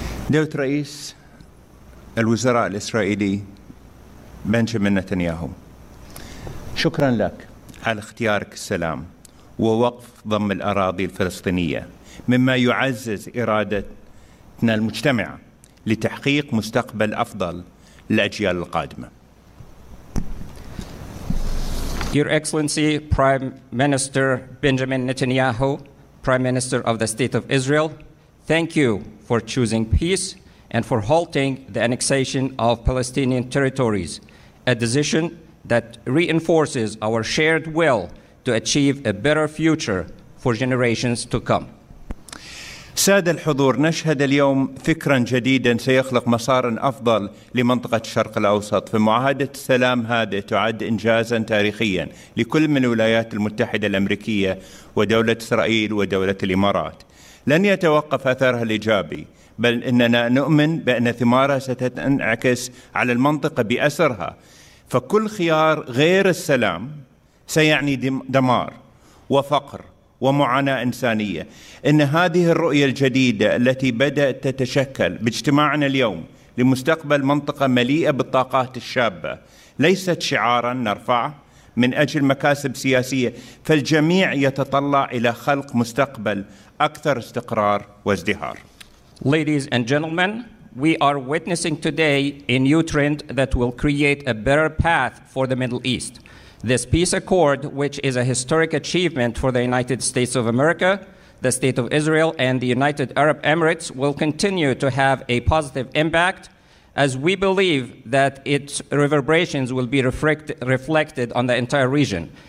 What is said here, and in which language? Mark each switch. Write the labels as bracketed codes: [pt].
[ar] نائب رئيس الوزراء الإسرائيلي بنجامين نتنياهو. شكرا لك على اختيارك السلام ووقف ضم الأراضي الفلسطينية، مما يعزز إرادتنا المجتمعة لتحقيق مستقبل أفضل للأجيال القادمة. [en] Your Excellency Prime Minister Benjamin Netanyahu, Prime Minister of the State of Israel, thank you for choosing peace and for halting the annexation of Palestinian territories, a decision that reinforces our shared will to achieve a better future for generations to come. [ar] سادة الحضور، نشهد اليوم فكراً جديداً سيخلق مساراً أفضل لمنطقة الشرق الأوسط، فمعاهدة السلام هذه تعد إنجازاً تاريخياً لكل من الولايات المتحدة الأمريكية ودولة إسرائيل ودولة الإمارات. لن يتوقف أثرها الإيجابي، بل إننا نؤمن بأن ثمارها ستنعكس على المنطقة بأسرها، فكل خيار غير السلام سيعني دمار وفقر ومعاناة إنسانية. إن هذه الرؤية الجديدة التي بدأت تتشكل باجتماعنا اليوم لمستقبل منطقة مليئة بالطاقات الشابة ليست شعاراً نرفعه من أجل مكاسب سياسية، فالجميع يتطلع إلى خلق مستقبل أكثر استقرار وازدهار. [en] Ladies and gentlemen, we are witnessing today a new trend that will create a better path for the Middle East. This peace accord, which is a historic achievement for the United States of America, the State of Israel, and the United Arab Emirates, will continue to have a positive impact, as we believe that its reverberations will be reflected on the entire region.